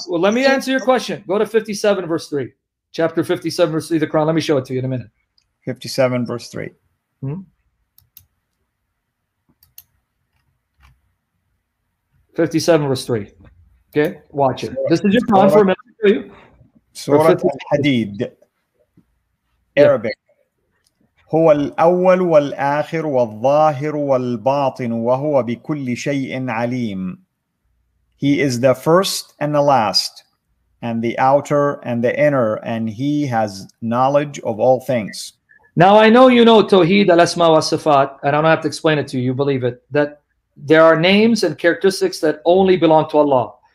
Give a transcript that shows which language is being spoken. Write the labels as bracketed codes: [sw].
[en] Well, let me answer your question. Go to 57, verse 3. Chapter 57, verse 3, the Quran. Let me show it to you in a minute. 57, verse 3. Okay, watch it. This is your Quran for a minute for you. Surah Al-Hadid, Arabic. [ar] هو الأول والآخر والظاهر والباطن وهو بكل شيء عليم. [en] He is the first and the last, and the outer and the inner, and he has knowledge of all things. Now I know you know Tawheed al-Asma wa Sifat, and I don't have to explain it to you, you believe it, that there are names and characteristics that only belong to Allah.